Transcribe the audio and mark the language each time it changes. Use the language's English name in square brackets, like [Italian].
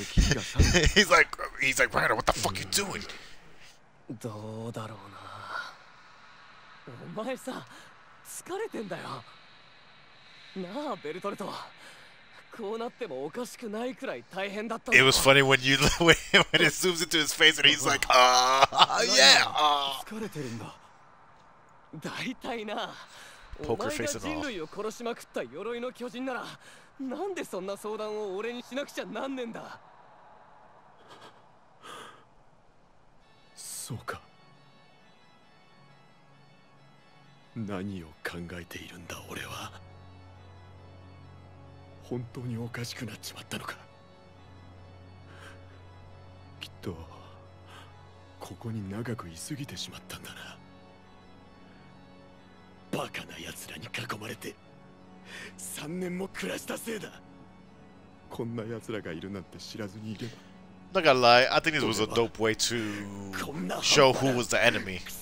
[English] he's like, Reiner, what the fuck you doing? [Japanese] どうだろうな。お前さ、疲れてんだよ。なあ、ベルトルト。こうなってもおかしくないくらい大変だった。 [English] It was funny when you when it zooms into his face and he's like, [Japanese] ああ、いや。疲れてるんだ。大体な、お前が人類を殺しまくった鎧の巨人なら。なんでそんな相談を俺にしなくちゃなんねんだ。そうか。何を考えているんだ俺は。本当におかしくなっちまったのか。きっとここに長く居すぎてしまったんだな。バカな奴らに囲まれて3年も暮らしたせいだ。こんな奴らがいるなんて知らずにいれば。 [English] Not gonna lie, I think this was a dope way to show who was the enemy.